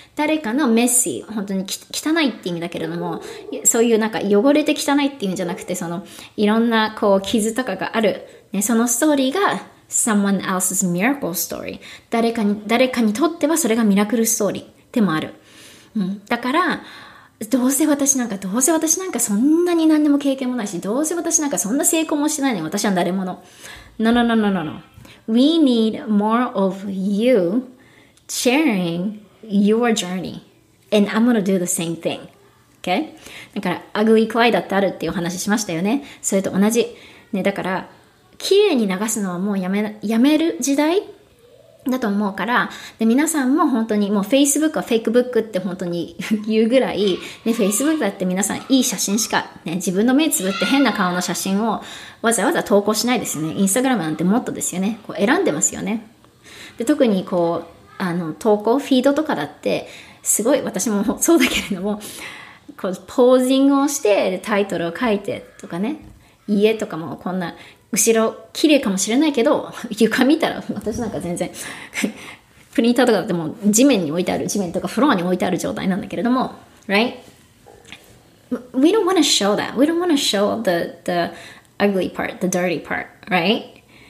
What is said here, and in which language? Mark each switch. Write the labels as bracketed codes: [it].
[ja] 誰かの messy, 本当に汚いって意味だけれども、そういうなんか汚れて汚いって意味じゃなくて、そのいろんなこう傷とかがある、ね、そのストーリーが、 [en] Someone else's miracle story. [ja] 誰かにとってはそれがミラクルストーリーでもある、うん、だからどうせ私なんかそんなに何でも経験もないし、どうせ私なんかそんな成功もしてないのに、私は誰もの No. [en] We need more of you sharing your journey. And I'm gonna do the same thing. Okay? [ja] だからアグリークライダーってあるっていうお話しましたよね。それと同じね。だから綺麗に流すのはもうやめる時代だと思うから、で皆さんも本当にもう Facebook は Fakebook って本当に言うぐらい、で Facebook だって皆さんいい写真しか、ね、自分の目つぶって変な顔の写真をわざわざ投稿しないですよね。 Instagram なんてもっとですよね。こう選んでますよね。で特にこう、あの投稿、フィードとかだってすごい、私もそうだけれども、こうポージングをしてタイトルを書いてとかね、家とかもこんな、後ろ綺麗かもしれないけど床見たら私なんか全然プリンターとかだってもう地面に置いてある、地面とかフロアに置いてある状態なんだけれども、 [en] right? We don't want to show that. We don't want to show the ugly part, the dirty part, right?